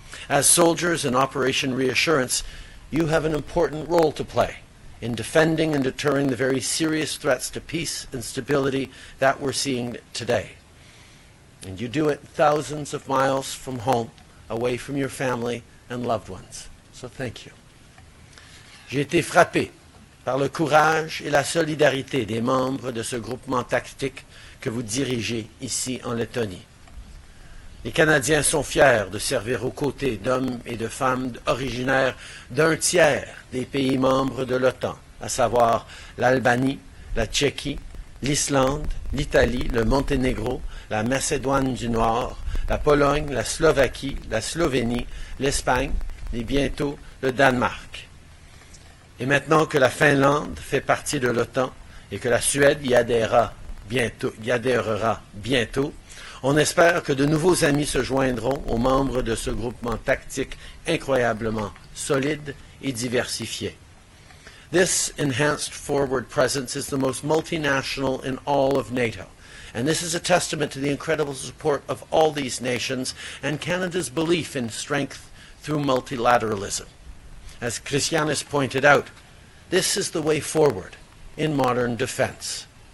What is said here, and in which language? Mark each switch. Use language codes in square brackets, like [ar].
[en] As soldiers in Operation Reassurance, you have an important role to play in defending and deterring the very serious threats to peace and stability that we're seeing today. And you do it thousands of miles from home, away from your family and loved ones. So thank you. [fr] J'ai été frappé par le courage et la solidarité des membres de ce groupement tactique que vous dirigez ici en Lettonie. Les Canadiens sont fiers de servir aux côtés d'hommes et de femmes originaires d'un tiers des pays membres de l'OTAN, à savoir l'Albanie, la Tchéquie, l'Islande, l'Italie, le Monténégro, la Macédoine du Nord, la Pologne, la Slovaquie, la Slovénie, l'Espagne et bientôt le Danemark. Et maintenant que la Finlande fait partie de l'OTAN et que la Suède y adhérera bientôt, on espère que de nouveaux amis se joindront aux membres de ce groupement tactique incroyablement solide et diversifié. [en] This enhanced forward presence is the most multinational in all of NATO, and this is a testament to the incredible support of all these nations and Canada's belief in strength through multilateralism. As Krišjānis pointed out, this is the way forward in modern defense.